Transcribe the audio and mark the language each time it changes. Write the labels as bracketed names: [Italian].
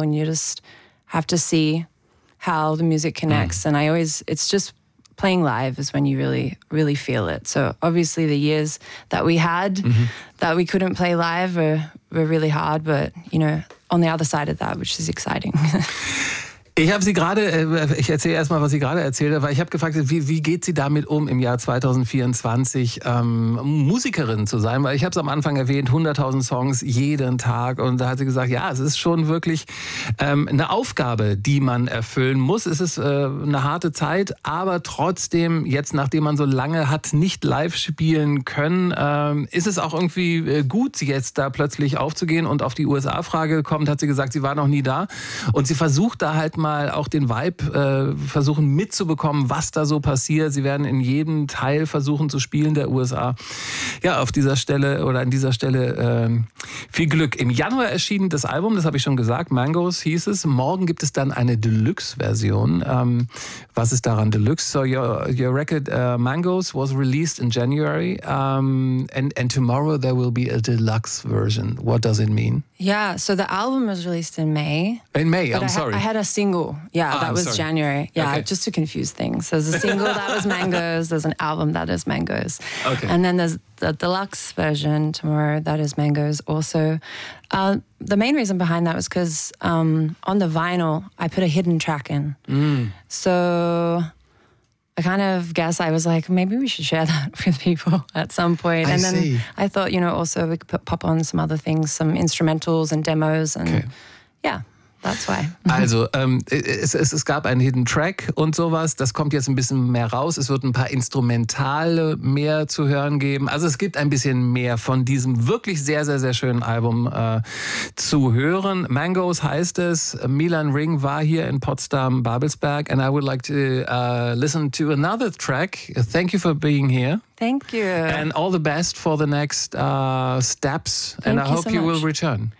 [English] And you just have to see how the music connects. And I always, it's just playing live is when you really, really feel it. So obviously the years that we had that we couldn't play live were really hard, but you know, on the other side of that, which is exciting. [German] Ich erzähle erstmal, was sie gerade erzählt hat, weil ich habe gefragt, wie geht sie damit um, im Jahr 2024 Musikerin zu sein? Weil ich habe es am Anfang erwähnt, 100.000 Songs jeden Tag. Und da hat sie gesagt, ja, es ist schon wirklich eine Aufgabe, die man erfüllen muss. Es ist eine harte Zeit, aber trotzdem, jetzt nachdem man so lange hat nicht live spielen können, ist es auch irgendwie gut, jetzt da plötzlich aufzugehen und auf die USA-Frage kommt, hat sie gesagt, sie war noch nie da. Und sie versucht da halt mal auch den Vibe versuchen mitzubekommen, was da so passiert. Sie werden in jedem Teil versuchen zu spielen der USA. Ja, auf dieser Stelle oder an dieser Stelle viel Glück. Im Januar erschien das Album, das habe ich schon gesagt, Mangoes hieß es. Morgen gibt es dann eine Deluxe-Version. Was ist daran Deluxe? [English] So your record Mangoes was released in January and tomorrow there will be a Deluxe version. What does it mean? Yeah, so the album was released in May. In May, I'm sorry. I had a single. Yeah, that was January. Yeah, okay. Just to confuse things. There's a single that was Mangoes. There's an album that is Mangoes. Okay. And then there's the deluxe version tomorrow that is Mangoes also. The main reason behind that was because on the vinyl, I put a hidden track in. So I kind of guess I was like, maybe we should share that with people at some point. And then I thought, you know, also we could pop on some other things, some instrumentals and demos. And yeah, that's why. [German] Also, es gab einen Hidden Track und sowas. Das kommt jetzt ein bisschen mehr raus. Es wird ein paar Instrumentale mehr zu hören geben. Also es gibt ein bisschen mehr von diesem wirklich sehr, sehr, sehr schönen Album zu hören. Mangoes heißt es. Milan Ring war hier in Potsdam-Babelsberg. [English] And I would like to listen to another track. Thank you for being here. Thank you. And all the best for the next steps. Thank you so much. I hope you will return.